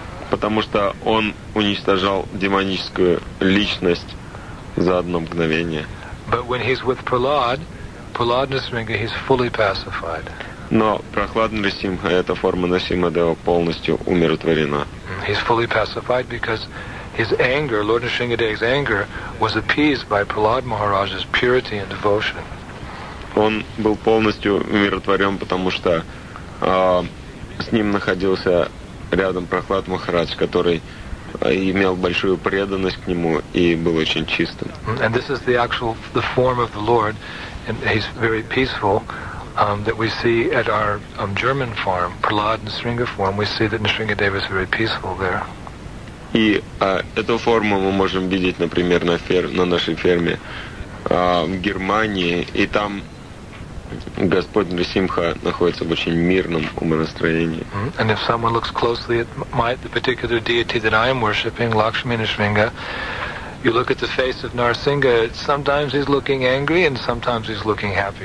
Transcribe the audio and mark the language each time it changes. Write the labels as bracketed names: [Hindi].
[Russian] Потому что он уничтожал демоническую личность за одно мгновение. [English] But when he's with Prahlad Nrisimha, he's fully pacified. [Russian] Но Прохлад Нрисимха, эта форма Нрисимхадева, полностью умиротворена. [English] He's fully pacified because his anger, Lord Nrisimhadev's anger, was appeased by Prahlad Maharaj's purity and devotion. [Russian] Он был полностью умиротворен, потому что с ним находился рядом Прохлад Махарадж, который имел большую преданность к нему и был очень чистым. [English] And this is the actual the form of the Lord, and he's very peaceful, that we see at our German farm, Prahlad Nrisimha form. We see that Nrisimhadev is very peaceful there. [Russian] И эту форму мы можем видеть, например, на нашей ферме в Германии, и там Господь Нрисимха находится в очень мирном умонастроении. [English] And if someone looks closely at the particular deity that I am worshipping, Lakshmi Nrisimha, you look at the face of Narsingha, sometimes he's looking angry and sometimes he's looking happy.